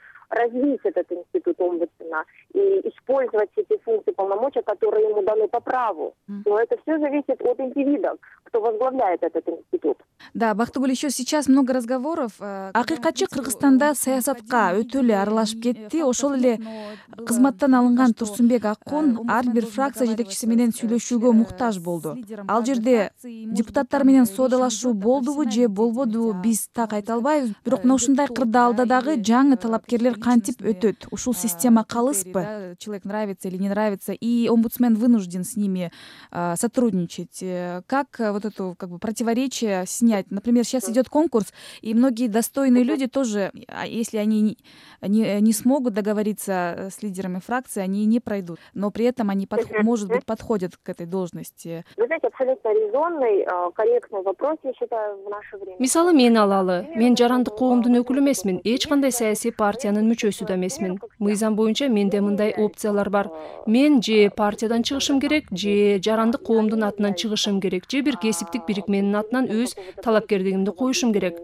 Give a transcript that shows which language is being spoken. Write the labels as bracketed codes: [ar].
[ru] Развить этот институт омбудсмена и использовать эти функции полномочия, которые ему даны по праву. Но это все зависит от индивида, кто возглавляет этот институт. Да, Бактыгүл, еще сейчас много разговоров. [ky] Акыйкатчы Кыргызстанда саясатка өтө эле аралашып кетти. Ошол эле кызматтан алынган Турсунбек Акын ар бир фракция жетекчиси менен сүйлөшүүгө муктаж болду. Ал жерде депутаттар менен соодалашуу болдубу же болбодубу биз так айта албайбыз. Бирок мына ушундай кырдаалда дагы жаңы талапкерлер кантип өтөт? Ушул система калыспы? [ru] Человек нравится или не нравится, и омбудсмен вынужден с ними сотрудничать. Как вот эту как бы противоречие снять? Например, сейчас идет конкурс, и многие достойные люди тоже, если они не смогут договориться с лидерами фракции, они не пройдут. Но при этом они, может быть, подходят к этой должности. Вы знаете, абсолютно резонный, корректный вопрос, я считаю, в наше время. [ky] Мисалы мен алалы. Мен жарандык коомдун өкүлү эмесмин. Эч кандай саясий партия мүчөсү да эмесмин. Мыйзам боюнча менде мындай опциялар бар. Мен же партиядан чыгышым керек, же жарандык коомдун атынан чыгышым керек, же бир кесиптик бирикменин атынан өз талапкерлигимди коюшум керек.